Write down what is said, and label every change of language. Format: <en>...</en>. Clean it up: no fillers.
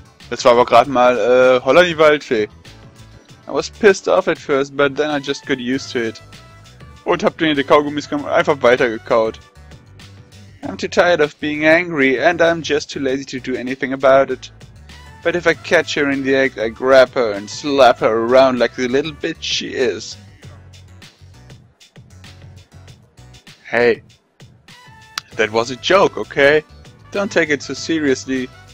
<de>Das war aber gerade mal Holla die Waldfee.</de> <en>I was pissed off at first, but then I just got used to it.</en> <de>Und hab den Kaugummis genommen und einfach weitergekaut.</de> <en>I'm too tired of being angry and I'm just too lazy to do anything about it. But if I catch her in the act, I grab her and slap her around like the little bitch she is. Hey. That was a joke, okay? Don't take it so seriously.</en>